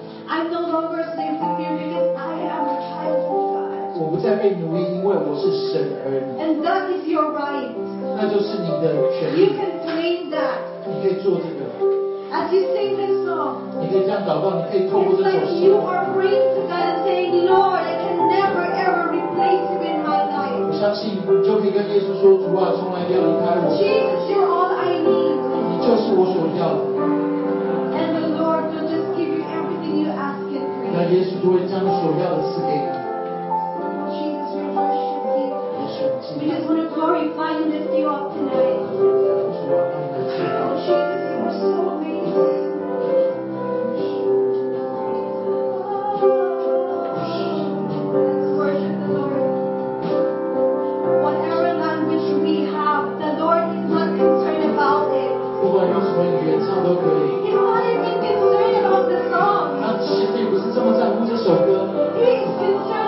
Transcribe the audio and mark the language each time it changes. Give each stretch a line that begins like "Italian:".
English: I'm no longer a slave to fear because I am a child of God.
Chinese: 我不再被奴役，因为我是神儿女。
English: And that is your right.
Chinese: 那就是你的权利。
English: You can claim that.
Chinese: 你可以做这个。
English: As you sing this song.
Chinese: 你可以这样祷告，你可以透过这首诗。
English: It's like you are praying to God and saying, Lord, I can never ever replace you in my life.
Chinese: 我相信你就可以跟耶稣说，主啊，从来不要离开我。
English: Jesus, you're all I need.
Chinese: 你就是我所要的。
English: And the Lord will just give you everything you ask and pray.
Chinese: 那耶稣就会将所要的赐给你。
English: We just want to glorify and lift you up tonight. Oh, Jesus, you are so amazing. Let's worship the Lord. Whatever language we have, the Lord is not concerned about it.
Chinese: 不管用什么语言唱都可以。
English: He's not even concerned about the song.
Chinese: 他其实并不是这么在乎这首歌。